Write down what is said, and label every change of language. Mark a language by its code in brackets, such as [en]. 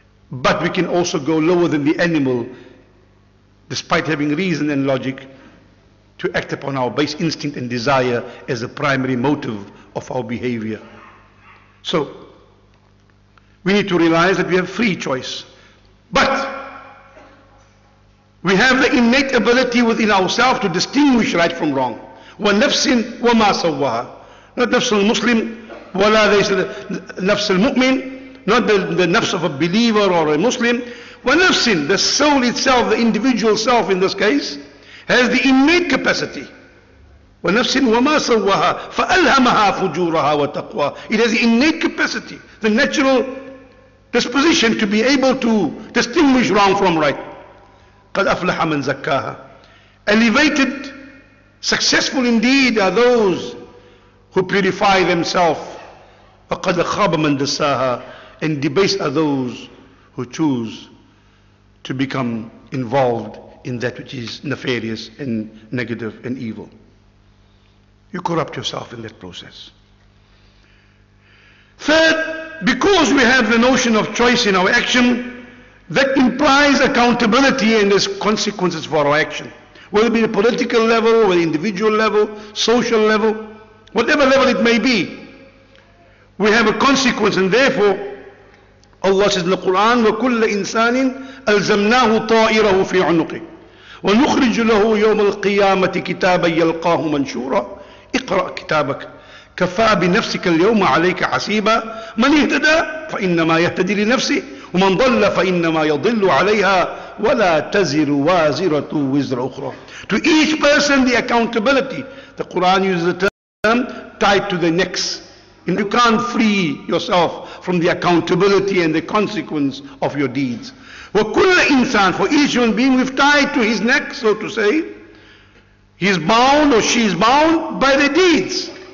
[en] But we can also go lower than the animal, despite having reason and logic, to act upon our base instinct and desire as a primary motive of our behavior. So, we need to realize that we have free choice. But we have the innate ability within ourselves to distinguish right from wrong. [ar] وَنَفْسٍ وَمَا سَوَّهَا. Not نَفْسُ الْمُسْلِمِ وَلَا لَيْسَ نَفْسُ الْمُؤْمِنِ. [en] Not the nafs of a believer or a Muslim. وَنَفْسٍ, the soul itself, the individual self in this case, has the innate capacity. [ar] وَنَفْسٍ وَمَا سَوَّهَا فَأَلْهَمَهَا فُجُورَهَا وَتَقْوَى. [en] It has the innate capacity, the natural disposition to be able to distinguish wrong from right. [ar] قَدْ أَفْلَحَ مَنْ زَكَّاهَا. [en] Elevated, successful indeed are those who purify themselves. [ar] وَقَدْ خَابَ مَنْ دَسَّاهَا. [en] And debased are those who choose to become involved in that which is nefarious and negative and evil. You corrupt yourself in that process. Third, because we have the notion of choice in our action, that implies accountability and there's consequences for our action. Whether it be the political level, or the individual level, social level, whatever level it may be, we have a consequence, and therefore Allah says in the Quran, [ar] وَكُلَّ إِنسَانٍ أَلْزَمْنَاهُ طَائِرَهُ فِي عُنُقِهِ وَنُخْرِجُ لَهُ يَوْمَ الْقِيَامَةِ كِتَابًا يَلْقَاهُ مَنْشُورًا اِقْرَأْ كِتَابَكَ كَفَى بِنَفْسِكَ الْيَوْمَ عَلَيْكَ حَسِيبًا مَنْ اِهْتَدَى فَإِنَّمَا يَهْتَدِي لِنَفْسِهِ وَمَنْ ضَلَّ فَإِنَّمَا يَضِلُّ عَلَيْهَا وَلَا تَزِرُ وَازِرَةٌ وِزْرَ أُخْرَى. [en] To each person the accountability. The Quran uses the term tied to the necks. And you can't free yourself from the accountability and the consequence of your deeds. [ar] وَكُلَّ إِنسَانٍ. [en] For each human being, we've tied to his neck, so to say. He's bound or she's bound by the deeds.